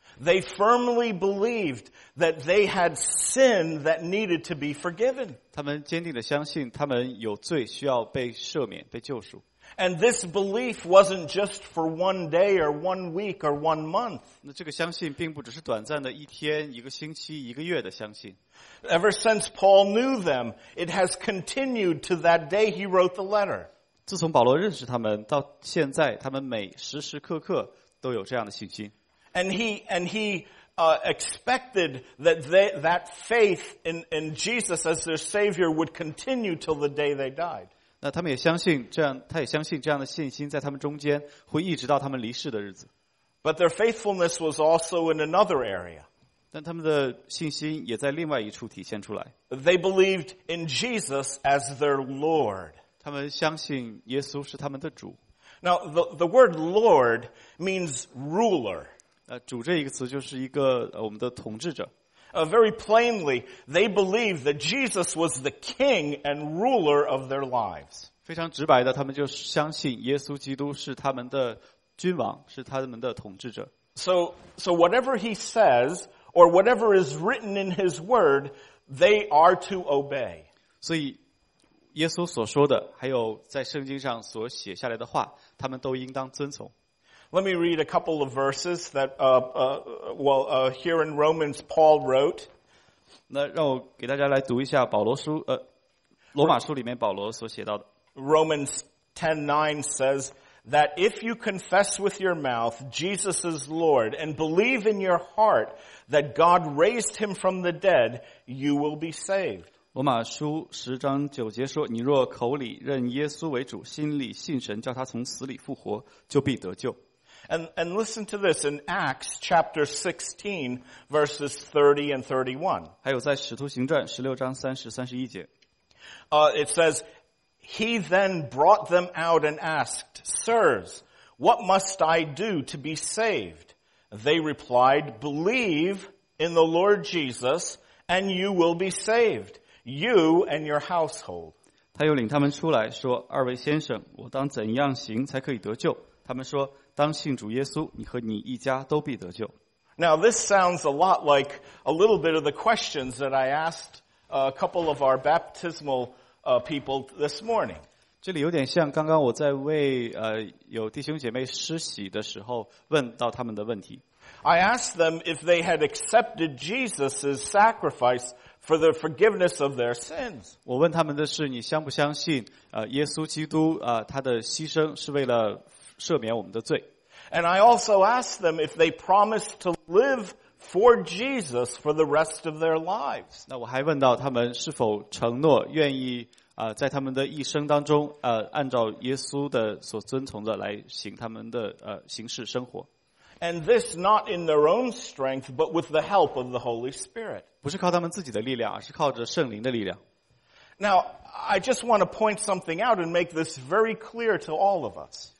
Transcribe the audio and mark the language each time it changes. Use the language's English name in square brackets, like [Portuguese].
[English] They firmly believed that they had sin that needed to be forgiven. [Chinese] 他们坚定地相信他们有罪需要被赦免、被救赎。 [English] And this belief wasn't just for one day or one week or one month. [Chinese] 那这个相信并不只是短暂的一天、一个星期、一个月的相信。 [English] Ever since Paul knew them, it has continued to that day he wrote the letter. [Chinese] 自从保罗认识他们到现在，他们每时时刻刻都有这样的信心。 [English] And he expected that that faith in Jesus as their Savior would continue till the day they died. [Chinese] 那他们也相信这样，他也相信这样的信心在他们中间会一直到他们离世的日子。 [English] But their faithfulness was also in another area. [Chinese] 但他们的信心也在另外一处体现出来。 [English] They believed in Jesus as their Lord. [Chinese] 他们相信耶稣是他们的主。 [English] Now, the word Lord means ruler. [Chinese] 主这一个词就是一个我们的统治者。 [English] Very plainly, they believed that Jesus was the king and ruler of their lives. [Chinese] 非常直白的，他们就相信耶稣基督是他们的君王，是他们的统治者。 [English] So whatever he says, or whatever is written in his word, they are to obey. [Chinese] 所以耶稣所说的，还有在圣经上所写下来的话，他们都应当遵从。 [English] Let me read a couple of verses that, here in Romans Paul wrote. [Chinese] 那让我给大家来读一下保罗书，罗马书里面保罗所写到的。 [English] Romans 10:9 says that if you confess with your mouth Jesus is Lord and believe in your heart that God raised him from the dead, you will be saved. [Chinese] 罗马书十章九节说：“你若口里认耶稣为主，心里信神叫他从死里复活，就必得救。” [English] And listen to this in Acts chapter 16 verses 30 and 31. [Chinese] 还有在使徒行传十六章三十、三十一节。 [English] It says, "He then brought them out and asked, 'Sirs, what must I do to be saved?' They replied, 'Believe in the Lord Jesus, and you will be saved.'" You and your household. [Chinese] 他又领他们出来说，二位先生，我当怎样行才可以得救？他们说，当信主耶稣，你和你一家都必得救。 [English] Now this sounds a lot like a little bit of the questions that I asked a couple of our baptismal people this morning. [Chinese] 这里有点像刚刚我在为有弟兄姐妹施洗的时候问到他们的问题。 [English] I asked them if they had accepted Jesus' sacrifice for the forgiveness of their sins. [Chinese] 我问他们的是，你相不相信，耶稣基督，他的牺牲是为了赦免我们的罪。 [English] And I also asked them if they promised to live for Jesus for the rest of their lives. [Chinese] 那我还问到他们是否承诺愿意，在他们的一生当中，按照耶稣的所遵从的来行他们的，行事生活。 [English] And this not in their own strength, but with the help of the Holy Spirit. [Chinese] 不是靠他们自己的力量，而是靠着圣灵的力量。 [English] Now, I just want to point something out and make this very clear to all of us.